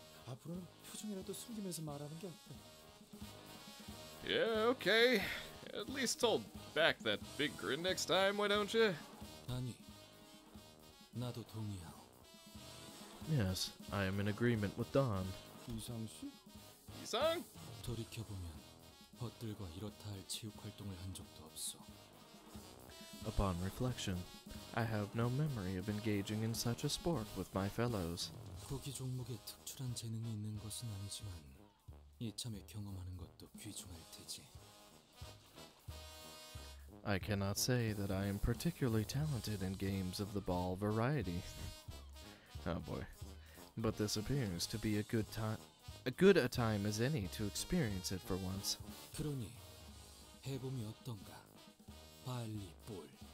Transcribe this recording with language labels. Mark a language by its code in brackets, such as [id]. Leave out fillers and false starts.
[ko] 앞으로는 표정이라도 숨기면서 말하는 게 어때? [en] Yeah, okay. At least hold back that big grin next time, why don't you? [ko] 아니, 나도 동의야. [en] Yes, I am in agreement with Don. [ko] 이상씨? 이상? 돌이켜보면 벗들과 이렇다 할 체육 활동을 한 적도 없어. [en] Upon reflection, I have no memory of engaging in such a sport with my fellows. [ko] 고기 종목에 특출한 재능이 있는 것은 아니지만 이참에 경험하는 것도 귀중할 테지. [en] I cannot say that I am particularly talented in games of the ball variety. Oh boy. But this appears to be a good time as any to experience it for once. [ko] 그러니 해봄이 어떤가? 발리볼.